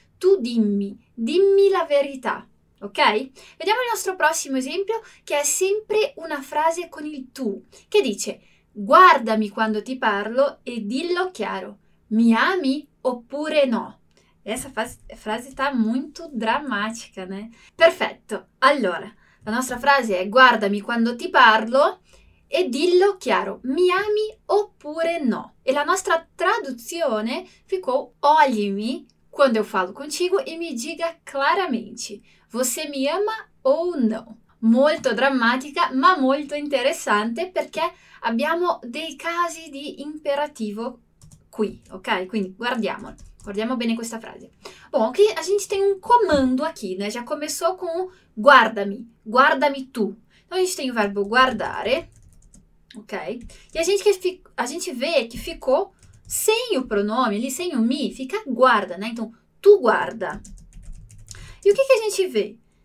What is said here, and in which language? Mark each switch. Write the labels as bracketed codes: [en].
[it] Tu dimmi, dimmi la verità, ok? Vediamo il nostro prossimo esempio, che è sempre una frase con il tu, che dice: guardami quando ti parlo e dillo chiaro, mi ami oppure no? [pt] Essa frase tá muito drammatica, né? [it] Perfetto. Allora, la nostra frase è: guardami quando ti parlo e dillo chiaro, mi ami oppure no? E la nostra traduzione [pt] ficou: olhe-me quando eu falo contigo e me diga claramente, você me ama ou não? [it] Molto drammatica, ma molto interessante perché abbiamo dei casi di imperativo qui, ok? Quindi guardiamo, guardiamo bene questa frase. [pt] Bom, aqui a gente tem um comando aqui, né? Já começou com guardami, guardami tu. Então a gente tem o verbo guardare. Ok? E a gente vê que ficou sem o pronome, ali, sem o mi, fica guarda, né? Então, tu guarda. E o que que a gente vê?